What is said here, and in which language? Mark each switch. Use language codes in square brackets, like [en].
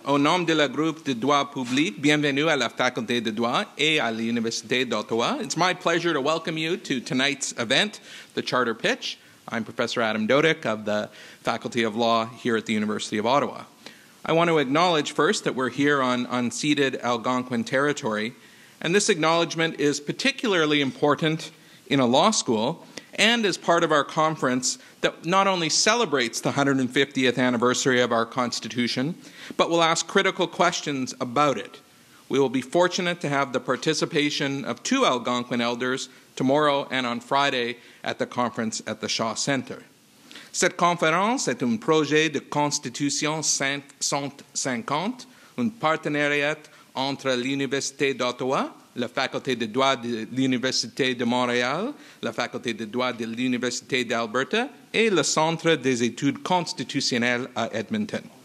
[fr] Au nom de la groupe de droit public, bienvenue à la faculté de droit et à l'Université d'Ottawa. [en] It's my pleasure to welcome you to tonight's event, the Charter Pitch. I'm Professor Adam Dodick of the Faculty of Law here at the University of Ottawa. I want to acknowledge first that we're here on unceded Algonquin territory, and this acknowledgement is particularly important in a law school and as part of our conference that not only celebrates the 150th anniversary of our Constitution, but will ask critical questions about it. We will be fortunate to have the participation of two Algonquin elders tomorrow and on Friday at the conference at the Shaw Center. [fr] Cette conférence est un projet de Constitution 150, un partenariat entre l'Université d'Ottawa, la Faculté de droit de l'Université de Montréal, la Faculté de droit de l'Université d'Alberta, et le Centre des études constitutionnelles à Edmonton.